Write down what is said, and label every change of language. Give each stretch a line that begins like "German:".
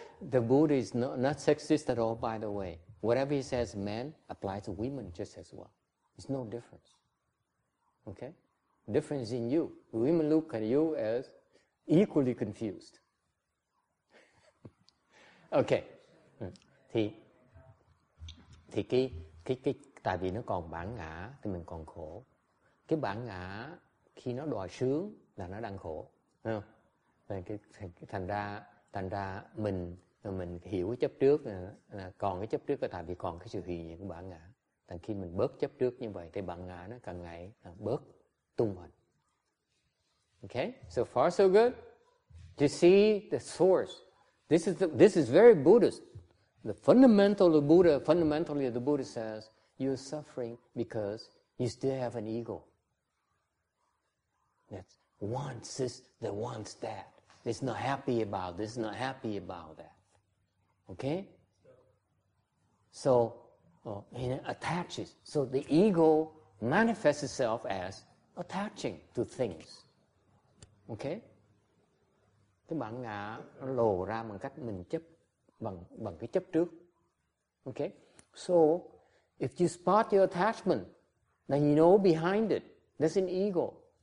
English: The Buddha is not sexist at all, by the way. Whatever he says men applies to women just as well. It's no difference. Okay? Difference in you. Women look at you as equally confused. Okay.
Vietnamese: Thì cái tại vì nó còn bản ngã thì mình còn khổ. Cái bản ngã khi nó đòi sướng là nó đang khổ. Thấy không? Thành ra mình hiểu cái chấp trước là còn cái chấp trước là tại vì còn cái sự hiện diện của bản ngã. Thành khi mình bớt chấp trước như vậy thì bản ngã nó càng ngày bớt tung hoành.
English: Okay, so far so good. To see the source. This is very Buddhist. The fundamental of Buddha, fundamentally the Buddha says, you're suffering because you still have an ego. That wants this, that wants that. It's not happy about this, not happy about that. Okay? So, it attaches. So the ego manifests itself as attaching to things. Okay?
Vietnamese: Cái bản ngã nó lộ ra bằng cách mình chấp bằng cái chấp trước.
English: Okay? So, if you spot your attachment, then you know behind it, there's an ego.